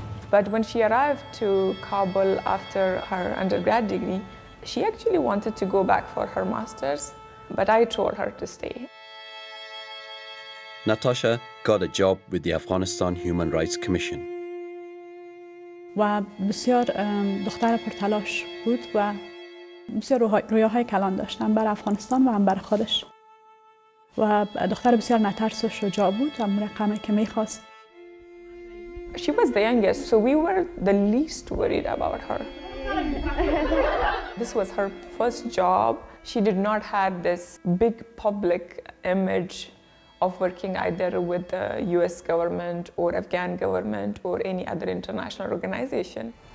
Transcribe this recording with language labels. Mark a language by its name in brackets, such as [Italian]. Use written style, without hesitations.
[English] But when she arrived to Kabul after her undergrad degree, she actually wanted to go back for her master's, but I told her to stay. Natasha got a job with the Afghanistan Human Rights Commission. [Persian] و بسیار دختر پرتلاش بود و بسیار رویاهای کلان داشتم بر افغانستان و هم بر خودش و دختر بسیار نترس و شجاع بود و مرقمه که میخواست. [English] She was the youngest, so we were the least worried about her. This was her first job. She did not have this big public image of working either with the US government or Afghan government or any other international organization.